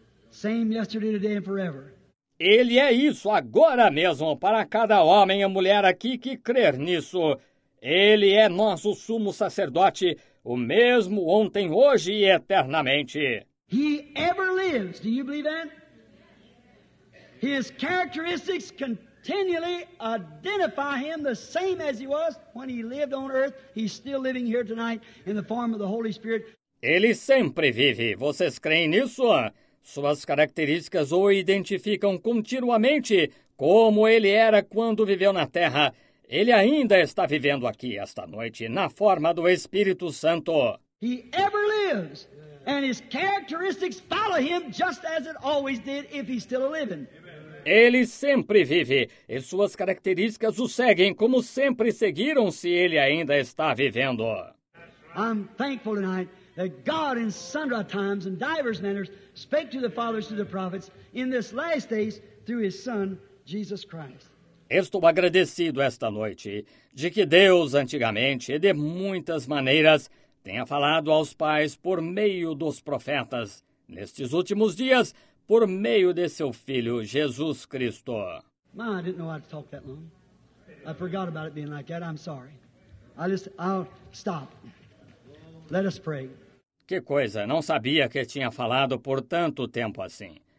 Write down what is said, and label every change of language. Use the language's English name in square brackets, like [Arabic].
[English] Same yesterday, today and forever. [Portuguese] Ele é isso agora mesmo para cada homem e mulher aqui que crer nisso. Ele é nosso sumo sacerdote, o mesmo ontem, hoje e eternamente. [English] He ever lives. Do you believe that? His characteristics continually identify him the same as he was when he lived on earth. He's still living here tonight in the form of the Holy Spirit. [Portuguese] Ele sempre vive. Vocês creem nisso? Suas características o identificam continuamente como ele era quando viveu na Terra. Ele ainda está vivendo aqui esta noite na forma do Espírito Santo. [English] He ever lives, and his characteristics follow him just as it always did if he's still living. [Portuguese] Ele sempre vive, e suas características o seguem como sempre seguiram se ele ainda está vivendo. [English] I'm thankful tonight that God in sundry times and divers manners spake to the fathers through the prophets in this last days through his Son, Jesus Christ. [Portuguese] Estou agradecido esta noite de que Deus antigamente e de muitas maneiras tenha falado aos pais por meio dos profetas, nestes últimos dias, por meio de seu Filho, Jesus Cristo. [English] Ma, I didn't know I'd talk that long. I forgot about it being like that. I'm sorry. I'll stop. Let us pray. [Portuguese] Que coisa, não sabia que tinha falado por tanto tempo assim.